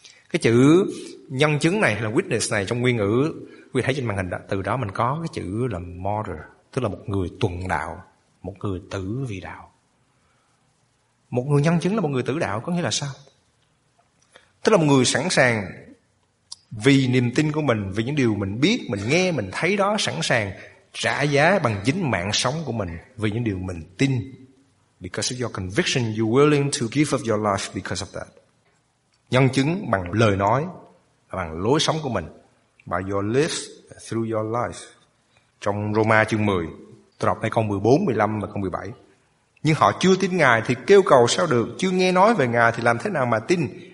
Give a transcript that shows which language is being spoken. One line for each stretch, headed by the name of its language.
Vietnamese: Cái chữ nhân chứng này là witness này trong nguyên ngữ, quý vị thấy trên màn hình đó, từ đó mình có cái chữ là martyr, tức là một người tuần đạo, một người tử vì đạo. Một người nhân chứng là một người tử đạo có nghĩa là sao? Tức là một người sẵn sàng vì niềm tin của mình, vì những điều mình biết, mình nghe, mình thấy đó, sẵn sàng trả giá bằng chính mạng sống của mình vì những điều mình tin.
English: Because of your conviction, you're willing to give up your life because of that.
Vietnamese: Nhân chứng bằng lời nói, bằng lối sống của mình.
English: By your lips, through your life.
Vietnamese: Trong Roma chương 10, tôi đọc câu 14, 15 và câu 17. Nhưng họ chưa tin Ngài thì kêu cầu sao được, chưa nghe nói về Ngài thì làm thế nào mà tin?